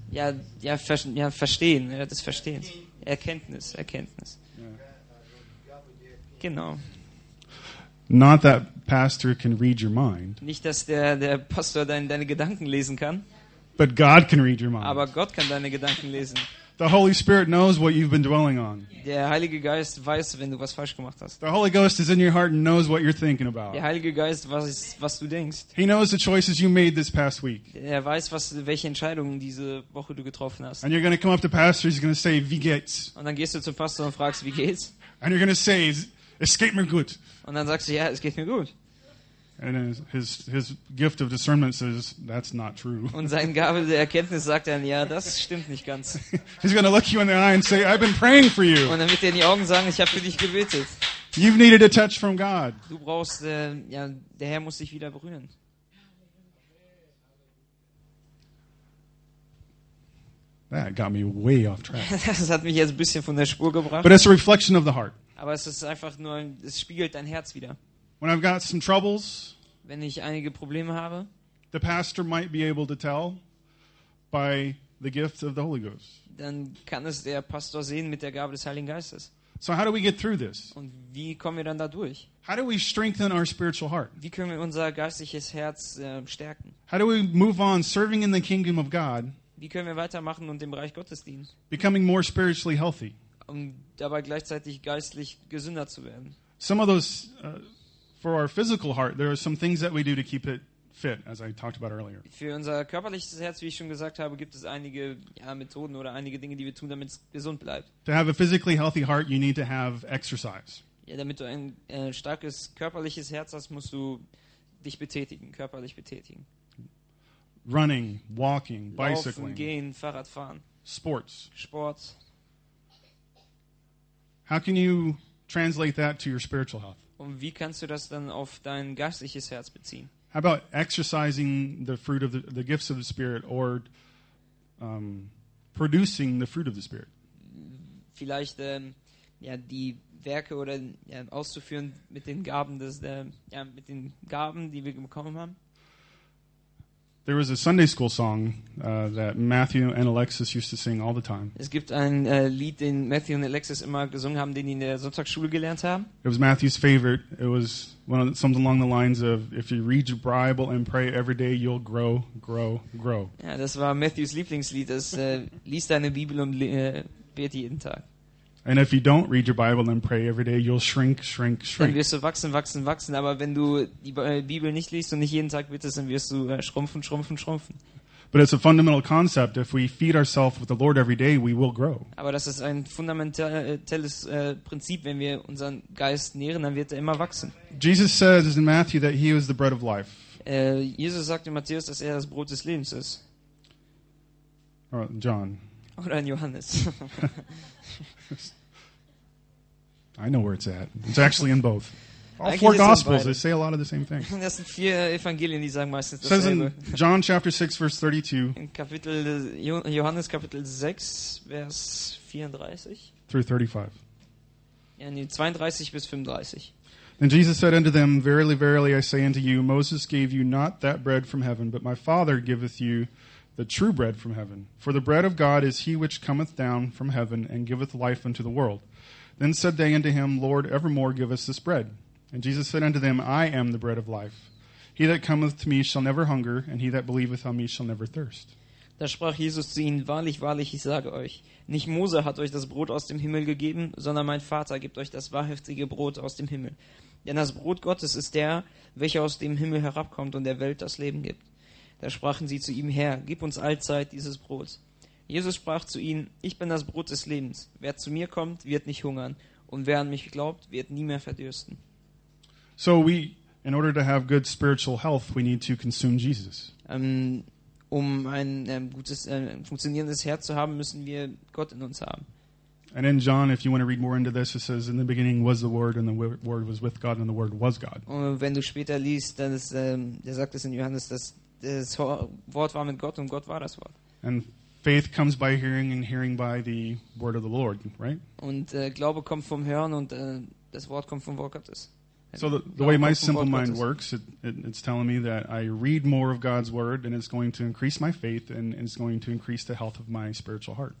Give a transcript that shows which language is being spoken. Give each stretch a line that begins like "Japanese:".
German: Ja, verstehen, ja, das Verstehen. Erkenntnis. Yeah. Genau.
English: Not that pastor can read your mind.
German: Nicht, dass der Pastor deine Gedanken lesen kann.
English: But God can read your mind.
German: Aber Gott kann deine Gedanken lesen.
English: The Holy Spirit knows what you've been dwelling on.
German: Der Heilige Geist weiß, wenn du was falsch gemacht hast.
English: The Holy Ghost is in your heart and knows what you're thinking about.
German: Der Heilige Geist weiß, was du denkst.
English: He knows the choices you made this past week.
German: Er weiß, welche Entscheidungen diese Woche du getroffen hast.
English: And you're going to come up to pastor, he's going to say,
German: "Wie geht's?" Und dann gehst du zum Pastor und fragst, wie geht's?
English: And you're going to say,
German: "Es geht mir gut." Und dann sagst du, ja, es geht mir gut.
English: And his gift of discernment says that's not true.
German: Und sein Gabe der Erkenntnis sagt dann, ja, das stimmt nicht ganz.
English: He's going to look you in the eye and say, "I've been praying for you."
German: Und dann wird er in die Augen sagen, ich habe für dich gebetet.
English: You've needed a touch from God.
German: Du brauchst, ja, der Herr muss dich wieder berühren.
English: That got me way off track.
German: Das hat mich jetzt ein bisschen von der Spur gebracht.
English: But it's a reflection of the heart.
German: Aber es ist einfach nur, es spiegelt dein Herz wieder.
English: When I've got some troubles,
German: wenn ich einige Probleme habe,
English: the pastor might be able to tell by the gift of the Holy Ghost.
German: Dann kann es der Pastor sehen mit der Gabe des Heiligen Geistes.
English: So how do we get through this?
German: Und wie kommen wir dann da durch?
English: How do we strengthen our spiritual heart?
German: Wie können wir unser geistliches Herz stärken?
English: How do we move on serving in the kingdom of God?
German: Wie können wir weitermachen und dem Reich Gottes dienen?
English: Becoming more spiritually healthy.
German: Um dabei gleichzeitig geistlich gesünder zu werden.
English: Some of those for our physical heart, there are some things that we do to keep it fit, as I talked about earlier.
German: Für unser körperliches Herz, wie ich schon gesagt habe, gibt es einige Methoden oder einige Dinge, die wir tun, damit es gesund bleibt.
English: To have a physically healthy heart, you need to have exercise.
German: Ja, damit du ein starkes körperliches Herz hast, musst du dich betätigen, körperlich betätigen.
English: Running, walking, bicycling.
German: Laufen, gehen, Fahrradfahren.
English: Sports. How can you translate that to your spiritual health?
German: Und wie kannst du das dann auf dein geistliches Herz beziehen?
English: How about exercising the fruit of the gifts of the Spirit or producing the fruit of the Spirit?
German: Vielleicht die Werke oder auszuführen mit den Gaben, mit den Gaben, die wir bekommen haben.
English: There was a Sunday school song that Matthew and Alexis used to sing all the time.
German: Es gibt ein Lied, den Matthew und Alexis immer gesungen haben, den die in der Sonntagsschule gelernt haben.
English: It was Matthew's favorite. It was something along the lines of, "If you read your Bible and pray every day, you'll grow, grow, grow."
German: Ja, das war Matthews Lieblingslied. Das lies deine Bibel und bete jeden Tag.
English: And if you don't read your Bible and pray every day, you'll shrink, shrink, shrink.
German: Dann wirst du wachsen, wachsen, wachsen. Aber wenn du die Bibel nicht liest und nicht jeden Tag betest, dann wirst du schrumpfen, schrumpfen, schrumpfen.
English: But it's a fundamental concept. If we feed ourselves with the Lord every day, we will grow.
German: Aber das ist ein fundamentales Prinzip. Wenn wir unseren Geist nähren, dann wird er immer wachsen.
English: Jesus says in Matthew that he is the bread of life.
German: Jesus sagt in Matthäus, dass er das Brot des Lebens ist.
English: Or John.
German: Oder in Johannes.
English: I know where it's at. It's actually in both. All four Gospels, they say a lot of the same thing.
German: Das sind vier Evangelien, die sagen meistens dasselbe.
English: It says in John chapter 6, verse 32.
German: In Kapitel Johannes Kapitel 6, Vers 34.
English: Through 35.
German: Ja, 32 bis 35.
English: Then Jesus said unto them, "Verily, verily, I say unto you, Moses gave you not that bread from heaven, but my Father giveth you the true bread from heaven. For the bread of God is he which cometh down from heaven and giveth life unto the world." Then said they unto him, "Lord, evermore give us this bread." And Jesus said unto them, I am the bread of life. He that cometh to me shall never hunger, and he that believeth on me shall never thirst.
German: Da sprach Jesus zu ihnen, wahrlich, wahrlich, ich sage euch, nicht Mose hat euch das Brot aus dem Himmel gegeben, sondern mein Vater gibt euch das wahrhaftige Brot aus dem Himmel. Denn das Brot Gottes ist der, welcher aus dem Himmel herabkommt und der Welt das Leben gibt. Da sprachen sie zu ihm, Herr, gib uns allzeit dieses Brot. Jesus sprach zu ihnen, ich bin das Brot des Lebens. Wer zu mir kommt, wird nicht hungern. Und wer an mich glaubt, wird nie mehr verdürsten.
English: So we, in order to have good spiritual health, we need to consume Jesus.
German: Um ein gutes, funktionierendes Herz zu haben, müssen wir Gott in uns haben.
English: And in John, if you want to read more into this, it says, in the beginning was the Word, and the Word was with God, and the Word was God.
German: Und wenn du später liest, dann ist, der sagt es in Johannes, dass das Wort war mit Gott und Gott war das Wort.
English: And faith comes by hearing, and hearing by the Word of the Lord, right?
German: Und Glaube kommt vom Hören, und das Wort kommt vom Wort Gottes.
English: So the way my simple mind works, it's telling me that I read more of God's word, and it's going to increase my faith, and it's going to increase the health of my spiritual heart.